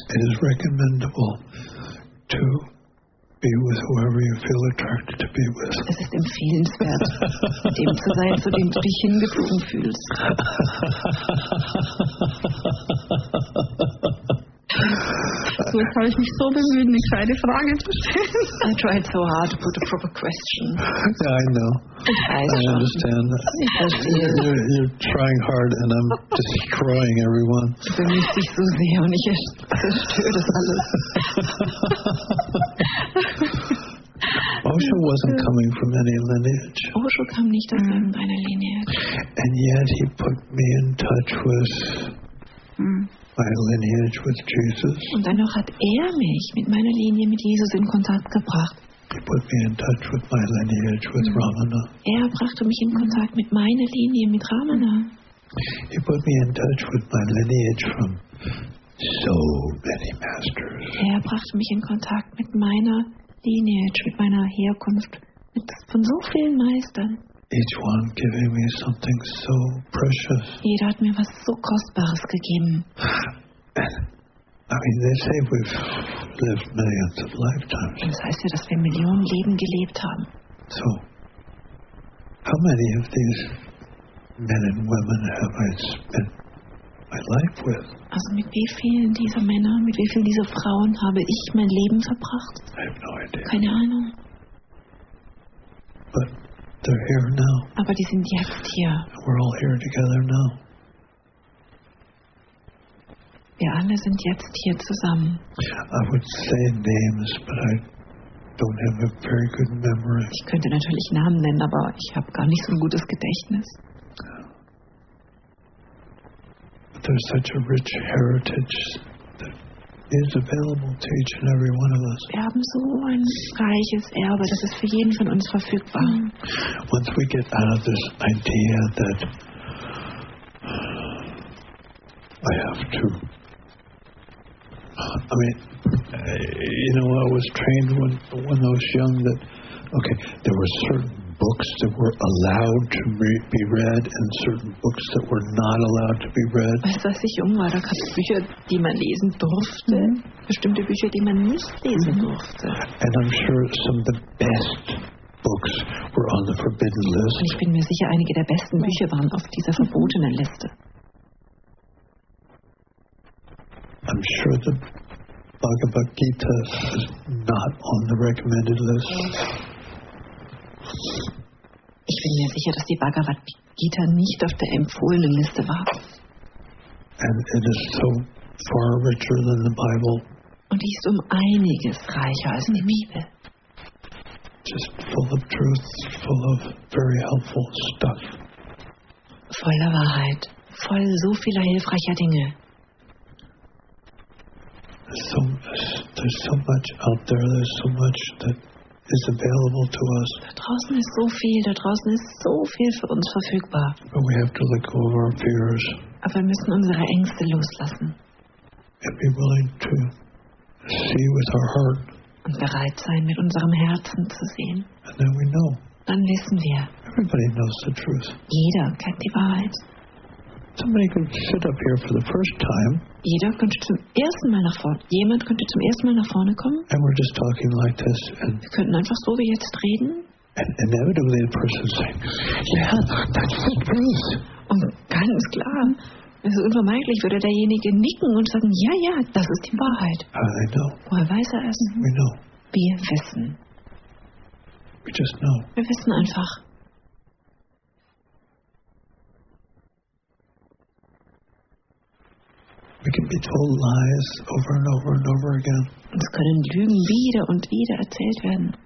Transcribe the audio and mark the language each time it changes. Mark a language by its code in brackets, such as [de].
[en] It is recommendable to be with whoever you feel attracted to be with. [de] Es ist empfehlenswert, mit dem zu sein, zu dem du dich hingezogen fühlst. So, jetzt habe ich mich so bemüht, eine gescheite Frage zu stellen. [en] I tried so hard to put a proper question. Yeah, I know. I understand. You're trying hard and I'm destroying everyone. [de] Du bemühst dich so sehr und ich zerstöre das alles. [en] Osho wasn't coming from any lineage. [de] Osho kam nicht aus irgendeiner Linie. [en] And yet he put me in touch with... My lineage with Jesus. [de] Und dennoch hat mich mit meiner Linie mit Jesus in Kontakt gebracht. [en] He put me in touch with my lineage with Ramana. [de] Brachte mich in Kontakt mit meiner Linie mit Ramana. [en] He put me in touch with my lineage from so many masters. [de] Brachte mich in Kontakt mit meiner Lineage, mit meiner Herkunft, mit von so vielen Meistern. [en] Each one giving me something so precious. [de] Jeder hat mir was so Kostbares gegeben. [en] I mean, they say we've lived millions of lifetimes. [de] Das heißt ja, dass wir Millionen Leben gelebt haben. [en] So, how many of these men and women have I spent my life with? [de] Also mit wie vielen dieser Männer, mit wie vielen dieser Frauen habe ich mein Leben verbracht? [en] I have no idea. [de] Keine Ahnung. [en] But they're here now. [de] Aber die sind jetzt hier. [en] We're all here together now. [de] Wir alle sind jetzt hier zusammen. [en] I would say names, but I don't have a very good memory. [de] Ich könnte natürlich Namen nennen, aber ich habe gar nicht so ein gutes Gedächtnis. [en] But there's such a rich heritage that is available to each and every one of us. [de] Wir haben so ein reiches Erbe, das ist für jeden von uns verfügbar. [en] Once we get out of this idea that I have to, I mean, you know, I was trained when I was young that, okay, there were certain books that were allowed to be read and certain books that were not allowed to be read. [de] Weißt du, als ich jung war, da gab es Bücher, die man lesen durfte, bestimmte Bücher, die man nicht lesen durfte. [en] And I'm sure some of the best books were on the forbidden list. [de] Und ich bin mir sicher, einige der besten Bücher waren auf dieser verbotenen Liste. [en] I'm sure the Bhagavad Gita is not on the recommended list. [de] Ich bin mir sicher, dass die Bhagavad Gita nicht auf der empfohlenen Liste war. [en] And it is so far richer than the Bible. [de] Und die ist einiges reicher als die Bibel. [en] Just full of truth, full of very helpful stuff. [de] Voller Wahrheit, voll so vieler hilfreicher Dinge. [en] So much. there's so much out there, there's so much that is available to us. [de] Da draußen ist so viel, da draußen ist so viel für uns verfügbar. [en] But we have to let go of our fears. [de] Aber wir müssen unsere Ängste loslassen. [en] And be willing to see with our heart. [de] Und bereit sein, mit unserem Herzen zu sehen. [en] And then we know. [de] Dann wissen wir. [en] Everybody knows the truth. [de] Jeder kennt die Wahrheit. [en] Somebody could sit up here for the first time. [de] Jeder könnte zum ersten Mal nach vorne. Jemand könnte zum ersten Mal nach vorne kommen. [en] And we're just talking like this. And [de] wir könnten einfach so wie jetzt reden. [en] And inevitably the person says, "Yeah, that's the truth." [de] Und ganz klar, es ist unvermeidlich, würde derjenige nicken und sagen, ja, ja, das ist die Wahrheit. [en] I know. [de] Woher weiß er es? [en] We know. [de] Wir wissen. [en] We just know. [de] Wir wissen einfach. [en] We can be told lies over and over and over again. [de] Es können Lügen wieder und wieder erzählt werden.